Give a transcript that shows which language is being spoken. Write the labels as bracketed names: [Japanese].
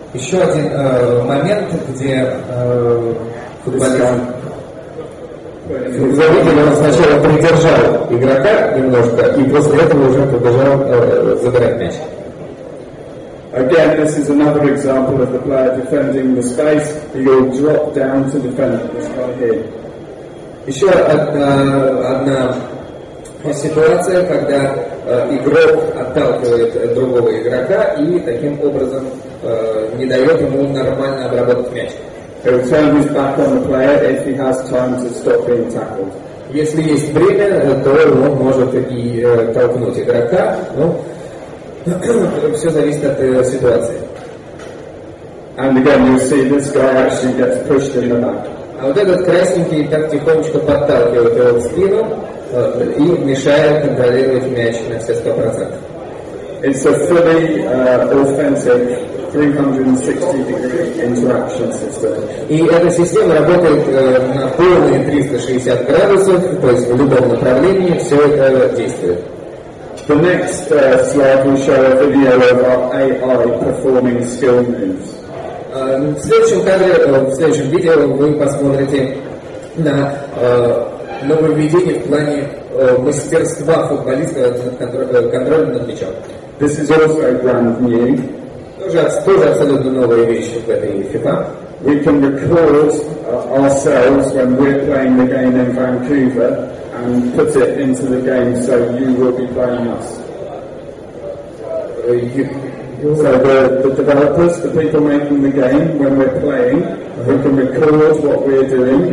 [Russian] Еще один момент, где футболист... Заметили, он сначала придержал игрока немножко, и после этого уже продолжал забирать мяч. [English] Again, this is another example of the player defending the space. He will drop down to defend this guy here. [Russian] Еще одна ситуация, когда игрок отталкивает другого игрока и таким образом не дает ему нормально обработать мяч. [English] He will turn his back on the player if he has time to stop being tackled. [Russian] Если есть время, то он может и толкнуть игрока, но... Все зависит от ситуации. [English] And again, you see this guy actually gets pushed in the back. [Russian] А вот этот красненький так тихонечко подталкивает его в спину и мешает контролировать мяч на все 100%. [English] It's a fully authentic 360-degree interaction system. [Russian] И эта система работает на полные 360 градусов, то есть в любом направлении все это действует. [English] The next slide will show a video of our AI performing skill moves. [Russian] В следующем кадре, в следующем видео вы посмотрите на нововведение в плане мастерства футболиста, контроля над мячом. [English] This is also a brand new. [Russian] Тоже абсолютно новая вещь в этой FIFA. [English] We can record ourselves when we're playing the game in Vancouver and put it into the game, so you will be playing us. So the developers, the people making the game, when we're playing, we can record what we're doing.